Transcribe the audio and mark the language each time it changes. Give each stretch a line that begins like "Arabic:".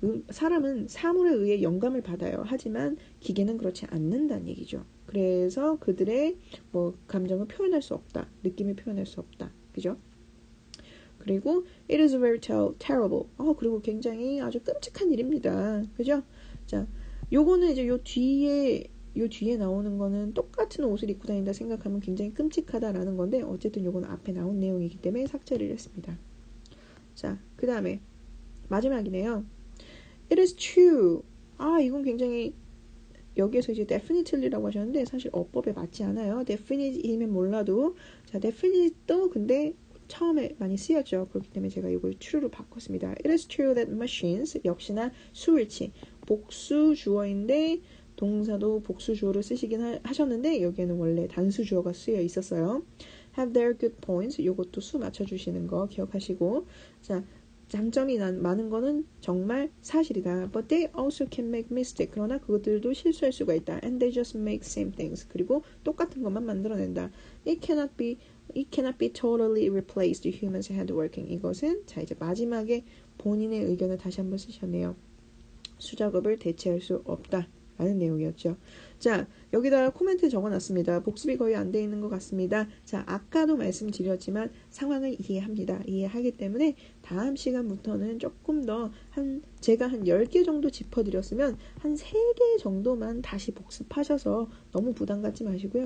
Korean: 사람은 사물에 의해 영감을 받아요. 하지만 기계는 그렇지 않는다는 얘기죠. 그래서 그들의 뭐 감정을 표현할 수 없다. 느낌을 표현할 수 없다. 그죠? 그리고,
English: it is very terrible.
Korean: 그리고 굉장히 아주 끔찍한 일입니다. 그죠? 자. 요거는 이제 요 뒤에 나오는 거는 똑같은 옷을 입고 다닌다 생각하면 굉장히 끔찍하다라는 건데, 어쨌든 요건 앞에 나온 내용이기 때문에 삭제를 했습니다. 자, 그 다음에, 마지막이네요.
English: It is true.
Korean: 아, 이건 굉장히, 여기에서 이제 definitely라고 하셨는데, 사실 어법에 맞지 않아요. definite이면 몰라도, 자, definite도 근데 처음에 많이 쓰였죠. 그렇기 때문에 제가 이걸 true로 바꿨습니다.
English: It is true that machines,
Korean: 역시나 수일치. 복수 주어인데 동사도 복수 주어를 쓰시긴 하셨는데 여기에는 원래 단수 주어가 쓰여 있었어요.
English: Have their good points.
Korean: 이것도 수 맞춰주시는 거 기억하시고. 자, 장점이 많은 거는 정말 사실이다.
English: But they also can make mistakes.
Korean: 그러나 그것들도 실수할 수가 있다.
English: And they just make same things.
Korean: 그리고 똑같은 것만 만들어낸다.
English: It cannot be totally replaced humans handworking.
Korean: 이것은 자 이제 마지막에 본인의 의견을 다시 한번 쓰셨네요. 수작업을 대체할 수 없다라는 내용이었죠. 자, 여기다 코멘트 적어놨습니다. 복습이 거의 안돼 있는 것 같습니다. 자, 아까도 말씀드렸지만 상황을 이해합니다. 이해하기 때문에 다음 시간부터는 조금 더 제가 한 10개 정도 짚어드렸으면 한 3개 정도만 다시 복습하셔서 너무 부담 갖지 마시고요.